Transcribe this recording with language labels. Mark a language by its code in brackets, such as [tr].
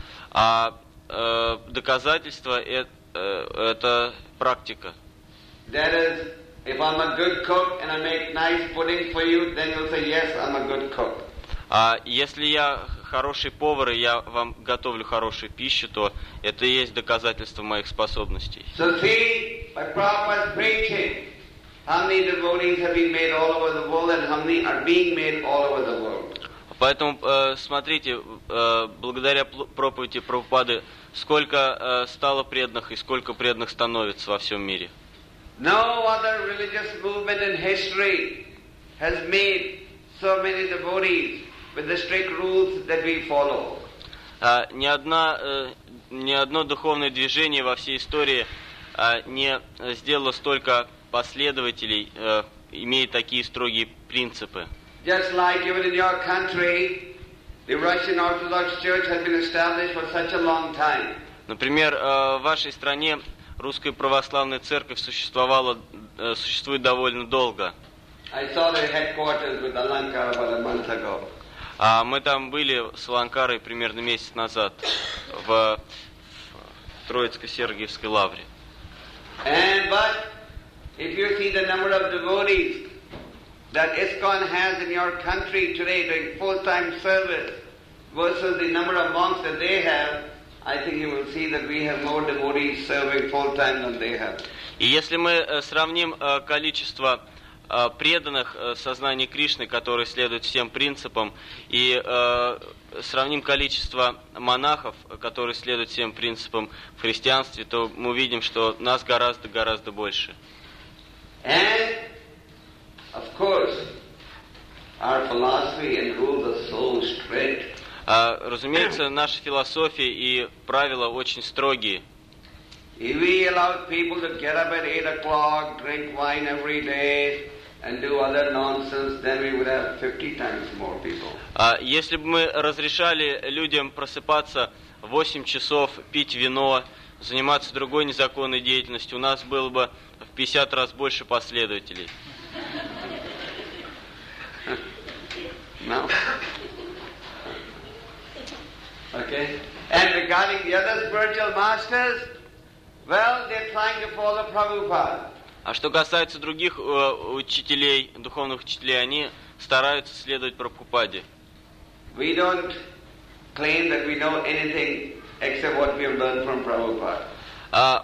[ru] А доказательство это практика. [en] That is, if I'm a good cook and I make nice pudding for you, then you'll say yes, I'm a good cook. [ru] А если я хороший повар и я вам готовлю хорошую пищу, то это и есть доказательство моих способностей. [en] So see, by Prabhupada's preaching, how many devotees have been made all over the world, and how many are being made all over the world. [ru] Поэтому, смотрите, благодаря проповеди Прабхупады, сколько стало преданных и сколько преданных становится во всем мире. [en] No other religious movement in history has made so many devotees with the strict rules that we follow. [ru] Ни одно духовное движение во всей истории не сделало столько последователей, имея такие строгие принципы. [en] Just like even in your country, the Russian Orthodox Church has been established for such a long time. [ru] Например, в вашей стране Русская православная церковь существует довольно долго. [en] I saw the headquarters with Alankara about a month ago. [ru] А мы там были с Аланкарой примерно месяц назад в Троицко-Сергиевской лавре. [en] And but if you see the number of devotees that ISKCON has in your country today doing full-time service versus the number of monks that they have, I think you will see that we have more devotees serving full time than they have. [ru] И если мы сравним количество преданных сознания Кришны, которые следуют всем принципам, и сравним количество монахов, которые следуют всем принципам в христианстве, то мы увидим, что нас гораздо, гораздо больше. [en] And of course, our philosophy and rules are so strict. [ru] Разумеется, наша философия и правила очень строгие. [en] If we allow people to get up at 8 o'clock, drink wine every day, and do other nonsense, then we would have 50 times more people. [ru] Если бы мы разрешали людям просыпаться 8 часов, пить вино, заниматься другой незаконной деятельностью, у нас было бы в 50 раз больше последователей. [en] No. Okay. And regarding the other spiritual masters, well, they're trying to follow Prabhupada. [ru] А что касается других учителей, духовных учителей, они стараются следовать Прабхупаде. [en] We don't claim that we know anything except what we have learned from Prabhupada.